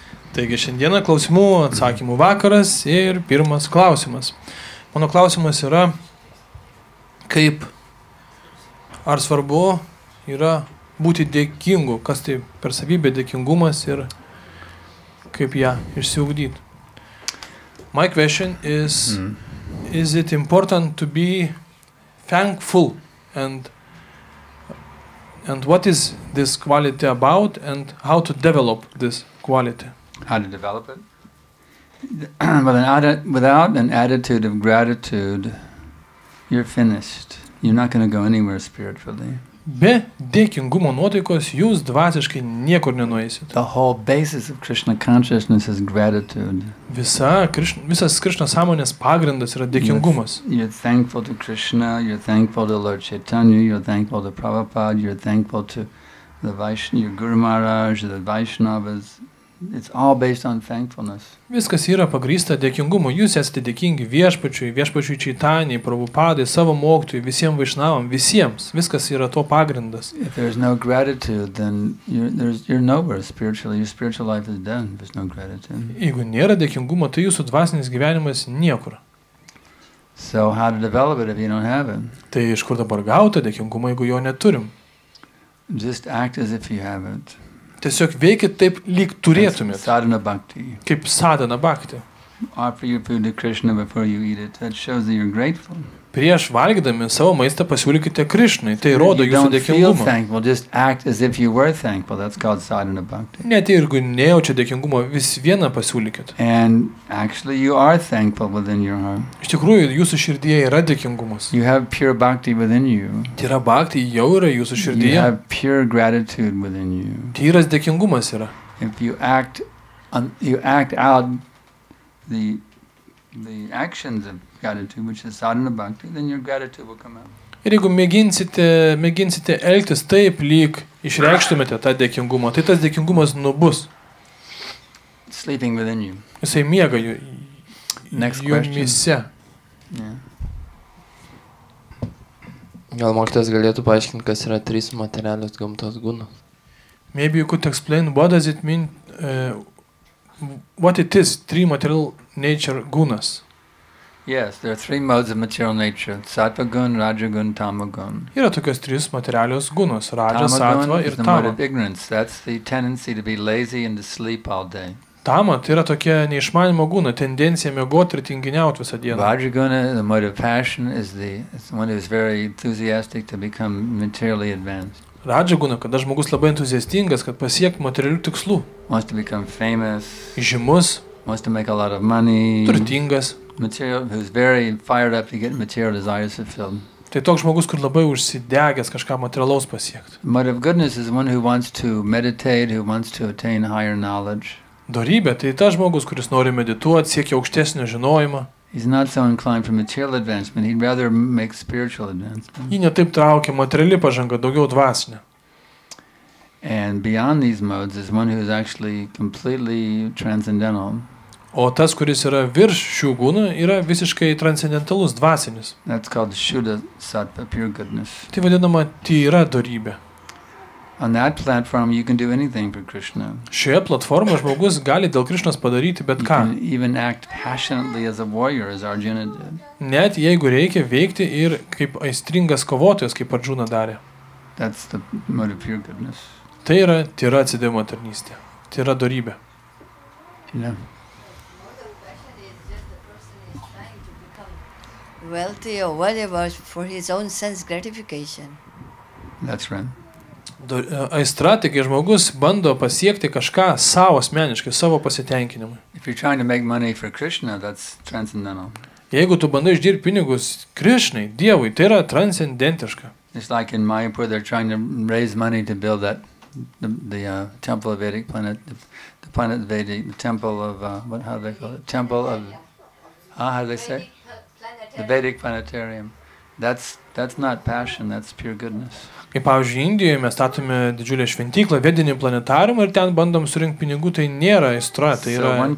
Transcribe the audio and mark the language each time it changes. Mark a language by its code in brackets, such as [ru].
[lt] Taigi šiandieną klausimų atsakymų vakaras ir pirmas klausimas. Mano klausimas yra, kaip ar svarbu yra būti dėkingu, kas tai per savybę dėkingumas ir kaip ją išsiugdyti. [en] My question is, is it important to be thankful and what is this quality about and how to develop this quality? How to develop it? Without an attitude of gratitude, you're finished. You're not going to go anywhere spiritually. [lt] Be dėkingumo nuotaikos jūs dvasiškai niekur nenueisite. [en] The whole basis of Krishna consciousness is gratitude. [lt] Visas Krishna sąmonės pagrindas yra dėkingumas. [en] You're thankful to Krishna, you're thankful to Lord Chaitanya, you're thankful to Prabhupada, you're thankful to the Vaishnava, your Guru Maharaj, the Vaishnavas. It's all based on thankfulness. [lt] Viskas yra pagrįsta dėkingumu. Jūs esate dėkingi viešpačiui Čaitanijai, Prabhupadai, savo mokytojui, visiems Vaishnavams, visiems. Viskas yra to pagrindas. [en] If there's no gratitude, then you're nowhere spiritually. Your spiritual life is done if there's no gratitude. [lt] Jeigu nėra dėkingumo, tai jūsų dvasinis gyvenimas niekur. [en] So how to develop it if you don't have it? [lt] Tai iš kur dabar gauti dėkingumą, jeigu jo neturim? [en] Just act as if you have it. [lt] Tiesiog veikit taip, lyg turėtumėt. [sa] Sadhana bhakti. [lt] Kaip sadhana bhakti. [en] Offer your food to Krishna before you eat it. That shows that you're grateful. [lt] Prieš valgydami savo maistą pasiūlykite Krishnai. Tai rodo jūsų dėkingumą. [en] You don't feel thankful, just act as if you were thankful. That's called sadhana bhakti. [lt] Net jeigu nejaučia dėkingumo, vis viena pasiūlykit. [en] And actually you are thankful within your heart. [lt] Iš tikrųjų, jūsų širdyje yra dėkingumas. [en] You have pure bhakti within you. [lt] Tyra bhakti jau yra jūsų širdyje. [en] You have pure gratitude within you. [lt] Tyras dėkingumas yra. [en] If you act out the actions of gratitude, which is sadhana bhakti, then your gratitude will come out. [lt] Ir jeigu mėginsite elgtis taip, lyg išreikštumėte tą dėkingumą, tai tas dėkingumas nubus. [en] Sleeping within you. [lt] Jisai miega jų jumyse. [en] Yeah. [lt] Gal mokytas galėtų paaiškinti, kas yra trys materialios gamtos gunos? [en] Maybe you could explain what does it mean, what it is, three material nature gunas. Yes, there are three modes of material nature: sattva gun, raja gun, tama gun. [lt] Yra tokios trys materialios gunos: raja, sattva ir tama. [en] Tama is the mode of ignorance. That's the tendency to be lazy and to sleep all day. [lt] Tama tai yra tokia neišmanimo guna, tendencija miegoti ir tinginiauti visą dieną. [en] Raja gun, the mode of passion, is one who is very enthusiastic to become materially advanced. [lt] Raja guna, kada žmogus labai entuziastingas, kad pasiektų materialių tikslų. [en] Wants to become famous. [lt] Žymus. [en] Wants to make a lot of money. [lt] Turtingas. [en] Material who's very fired up to get material desires fulfilled. [lt] Tai toks žmogus, kur labai užsidegęs kažką materialaus pasiekti. [en] Mode of goodness is one who wants to meditate, who wants to attain higher knowledge. [lt] Dorybė tai tas žmogus, kuris nori medituoti, siekia aukštesnio žinojimo. [en] He's not so inclined for material advancement, he'd rather make spiritual advancement. [lt] Jį ne taip traukia materiali pažanga, daugiau dvasinė. [en] And beyond these modes is one who is actually completely transcendental. [lt] O tas, kuris yra virš šių gūnų, yra visiškai transcendentalus dvasinis. [en] That's called Shuddha Sattva, pure goodness. [lt] Tai vadinama tyra dorybė. [en] On that platform you can do anything for Krishna. [lt] Šioje platformoje žmogus gali dėl Krishnos padaryti bet ką. [en] Even act passionately as a warrior, as Arjuna did. [lt] Net jeigu reikia veikti ir kaip aistringas kovotojas, kaip Arjuna darė. [en] That's the mode of pure goodness. [lt] Tai yra tyra atsidėjimo tarnystė. Tai yra dorybė. [en] Yeah. Wealthy or whatever for his own sense gratification. That's right. [lt] Aistra, taigi žmogus bando pasiekti kažką savo asmeniškai, savo pasitenkinimui. [en] If you're trying to make money for Krishna, that's transcendental. [lt] Jeigu tu bandai uždirbti pinigus Krishnai, Dievui, tai yra transcendentiška. [en] It's like in Mayapur, they're trying to raise money to build that temple of Vedic planet, the planet Vedic, the temple of, how do they call it? Temple of, how do they say? The Vedic planetarium. That's That's not passion, that's pure goodness. [lt] Kaip pavyzdžiui, Indijoje mes statome didžiulę šventyklą, vedinį planetariumą ir ten bandom surinkti pinigų, tai nėra aistra, tai yra